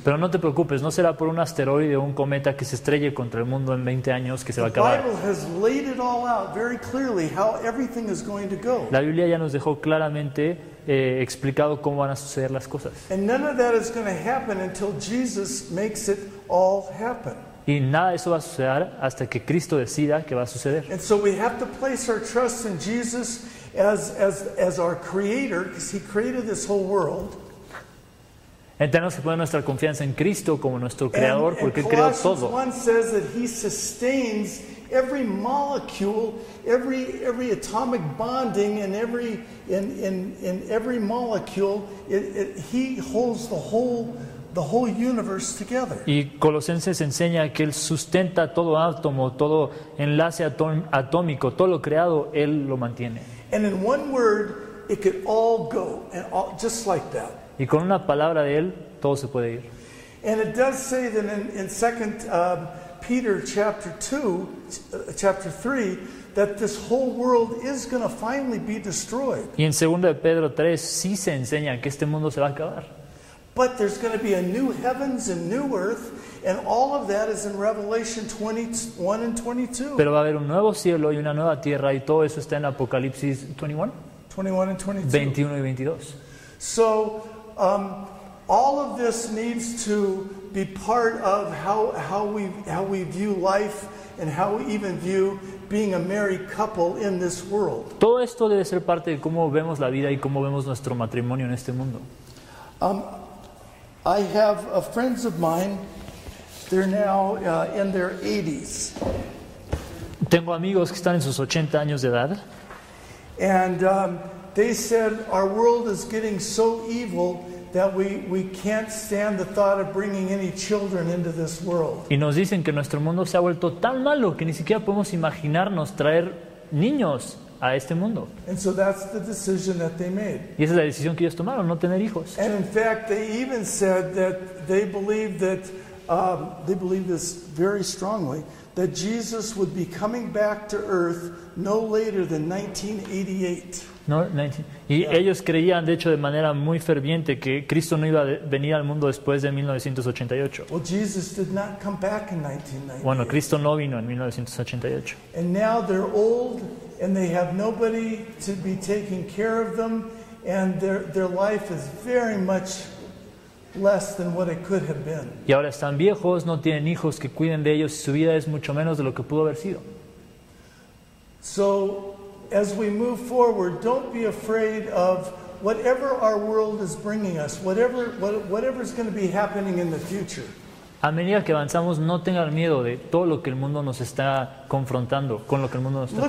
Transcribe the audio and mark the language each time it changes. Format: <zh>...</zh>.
<es>Pero no te preocupes, no será por un asteroide o un cometa que se estrelle contra el mundo en 20 años que se va a acabar.</es> <en>The Bible has laid it all out very clearly how everything is going to go.</en> <es>La Biblia ya nos dejó claramente explicado cómo van a suceder las cosas.</es> <en>And none of that is going to happen until Jesus makes it all happen.</en> <es>Y nada de eso va a suceder hasta que Cristo decida que va a suceder.</es> <en>And so we have to place our trust in Jesus as our creator, because he created this whole world.</en> <es>Tenemos que poner nuestra confianza en Cristo como nuestro creador, porque él creó todo.</es> <en>And Colossians 1 says that he sustains every molecule, every atomic bonding, and in every molecule, he holds the whole universe together.</en> <es>Y Colosenses enseña que él sustenta todo átomo, todo enlace atómico, todo lo creado, él lo mantiene.</es> <en>And in one word, it could all go, and all, just like that.</en> <es>Y con una palabra de él, todo se puede ir.</es> <en>And it does say that in 2 Peter chapter 2, chapter 3, that this whole world is going to finally be destroyed.</en> <es>Y en 2 de Pedro 3, sí se enseña que este mundo se va a acabar.</es> <en>But there's going to be a new heavens and new earth, and all of that is in Revelation 21 and 22.</en> <es>Pero va a haber un nuevo cielo y una nueva tierra, y todo eso está en Apocalipsis 21.</es> <en>21 and 22.</en> <es>21 y 22.</es> <en>So, all of this needs to be part of how we view life, and how we even view being a married couple in this world.</en> <es>Todo esto debe ser parte de cómo vemos la vida y cómo vemos nuestro matrimonio en este mundo.</es> <en>I have friends of mine. They're now in their 80s.</en> <es>Tengo amigos que están en sus 80 años de edad.</es> <en>And they said our world is getting so evil that we can't stand the thought of bringing any children into this world.</en> <es>Y nos dicen que nuestro mundo se ha vuelto tan malo que ni siquiera podemos imaginarnos traer niños a este mundo.</es> <en>And so that's the decision that they made.</en> <es>Y esa es la decisión que ellos tomaron, no tener hijos.</es> <en>And in fact, they even said that they believe that they believe this very strongly, that Jesus would be coming back to earth no later than 1988.</en> <es>Y ellos creían, de hecho, de manera muy ferviente que Cristo no iba a venir al mundo después de 1988.</es> <en>Well, Jesus did not come back in 1988.</en> <es>Bueno, Cristo no vino en 1988.</es> <en>And now they're old and they have nobody to be taking care of them, and their life is very much less than what it could have been.</en> <es>Y ahora están viejos, no tienen hijos que cuiden de ellos, y su vida es mucho menos de lo que pudo haber sido.</es> <en>So, as we move forward, don't be afraid of whatever our world is bringing us, whatever is going to be happening in the future.</en> <es>A medida que avanzamos, no tengan miedo de todo lo que el mundo nos está confrontando, con lo que el mundo nos está</es>